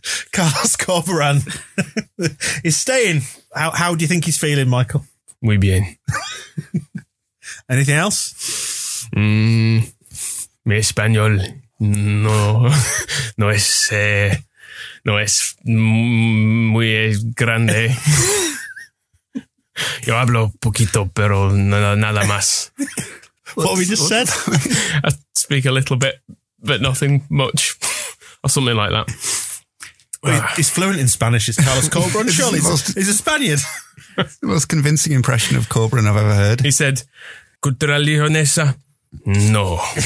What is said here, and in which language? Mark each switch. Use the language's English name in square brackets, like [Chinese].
[English] Carlos Corberan is staying. How do you think he's feeling, Michael? [Spanish] Muy bien. [English] Anything else? [Spanish] Mi español no es muy grande. Yo hablo poquito, pero nada más. [English] What have we just said? I speak a little bit. But nothing much, or something like that. Well, he's fluent in Spanish. It's Carlos Corberan. Surely he's a Spaniard. The most convincing impression of Corberan I've ever heard. He said, "Cutralionesa." No.